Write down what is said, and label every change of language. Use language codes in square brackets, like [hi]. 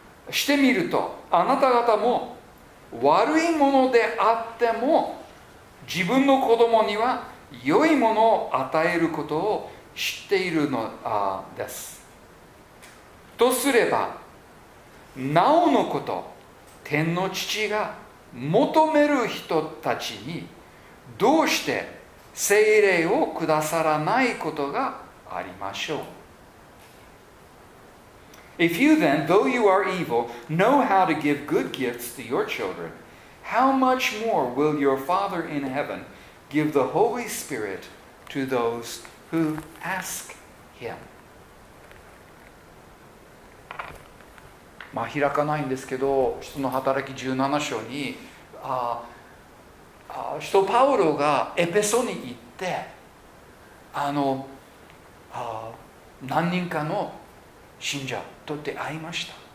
[ja] してみるとあなた方も悪いものであっても自分の子供には良いものを与えることを知っているのです。とすればなおのこと天の父が求める人たちにどうして聖霊をくださらないことがありましょう。 [en] If you then, though you are evil, know how to give good gifts to your children, how much more will your Father in heaven give the Holy Spirit to those who ask him? [ja] まあ開かないんですけど、使徒の働き17章に、使徒パウロがエペソに行って、何人かの信者と出会いました。